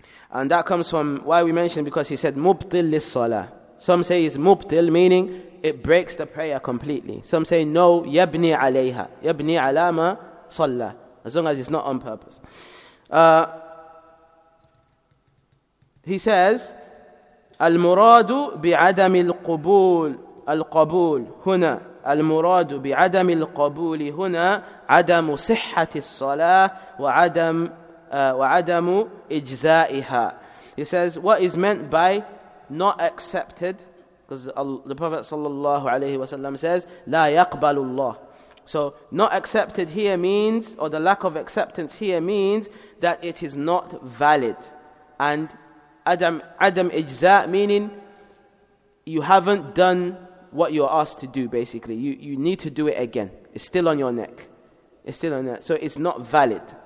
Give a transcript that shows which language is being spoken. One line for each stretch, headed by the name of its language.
English: And that comes from why we mentioned, because he said,
Arabic: مُبْطِل لِلصَّلَاةِ.
English: Some say it's مُبْطِل, meaning it breaks the prayer completely. Some say, no,
Arabic: يَبْنِي عَلَيْهَا. يَبْنِي عَلَى مَا صَلَّى.
English: As long as it's not on purpose. He says,
Arabic: المراد بعدم القبول القبول هنا المراد بعدم القبول هنا عدم صحة الصلاة وعدم وعدم إجزائها.
English: He says, what is meant by not accepted? Because the Prophet صلى الله عليه وسلم says,
Arabic: لا يقبل الله.
English: So not accepted here means, or the lack of acceptance here means, that it is not valid. And Adam ijza, meaning you haven't done what you're asked to do, basically. You need to do it again. It's still on your neck. It's still on that. So it's not valid.